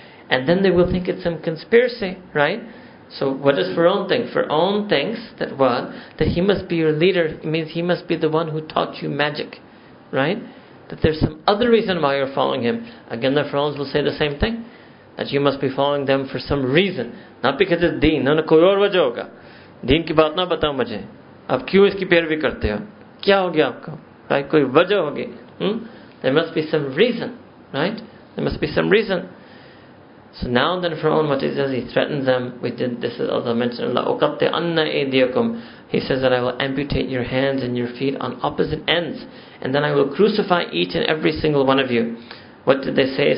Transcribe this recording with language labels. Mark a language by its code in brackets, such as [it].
[en] And then they will think it's some conspiracy, right? So what does Fir'aun think? Fir'aun thinks that what? That he must be your leader. It means he must be the one who taught you magic, right? That there's some other reason why you're following him. Again, the Fir'auns will say the same thing. That you must be following them for some reason. Not because it's deen. [ur] No, کوئی اور وجہ ہوگا۔ دین کی بات نہ بتاؤ مجھے۔ اب کیوں اسکی پیروی کرتے ہو؟ کیا ہوگی آپکو؟ [en] Right? [ur] کوئی وجہ ہوگی۔ [en] There must be some reason, right? There must be some reason. So now then Fir'aun, what he says, he threatens them. We did this, as Allah mentioned, [ar] لَأُقَطِّ أَنَّ أَيْدِيَكُمْ. [en] He says that I will amputate your hands and your feet on opposite ends. And then I will crucify each and every single one of you. What did they say?